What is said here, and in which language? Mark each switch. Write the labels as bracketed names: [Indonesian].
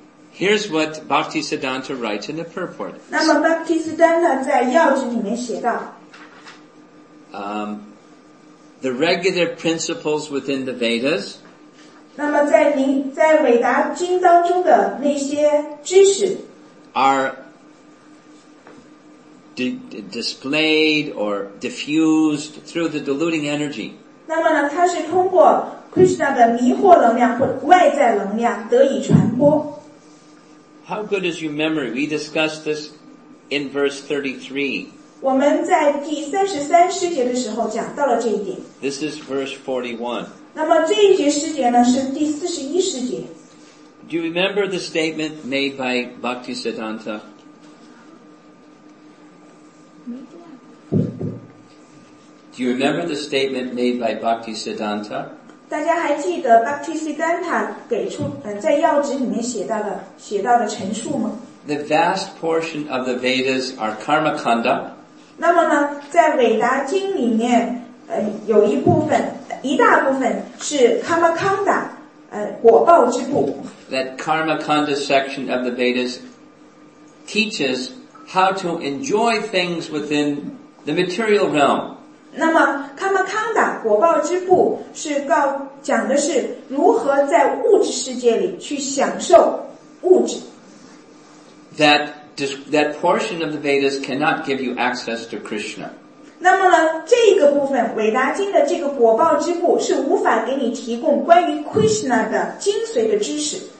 [English] Here's what Bhaktisiddhanta writes in the purport. [Chinese] 那么 Bhaktisiddhanta 在要旨里面写道。 [English] The regular principles within the Vedas. [Chinese] 那么在伟达经当中的那些知识 [English] are displayed or diffused through the deluding energy. [Chinese] 那么呢，它是通过 Krishna 的迷惑能量或外在能量得以传播。 [English] How good is your memory? We discussed this in verse 33. [Chinese] 我们在第三十三诗节的时候讲到了这一点。 [English] This is verse 41. [Chinese] 那么这一节诗节呢是第四十一诗节。 [English] Do you remember the statement made by Bhaktisiddhanta? Do you remember the statement made by Bhaktisiddhanta? [Chinese] 大家还记得 Bhaktisiddhanta 给出在要旨里面写到的陈述吗？ [English] The vast portion of the Vedas are karmakanda. [Chinese] 那么呢，在韦达经里面，有一部分，一大部分是 karmakanda。果报之部。 [English] That karmakanda section of the Vedas teaches how to enjoy things within the material realm. [Chinese] 那么 karmakanda 果报之部是讲的是如何在物质世界里去享受物质。 [English] That portion of the Vedas cannot give you access to Krishna. [Chinese] 那么呢，这个部分《韦达经》的这个果报之部是无法给你提供关于 Krishna 的精髓的知识。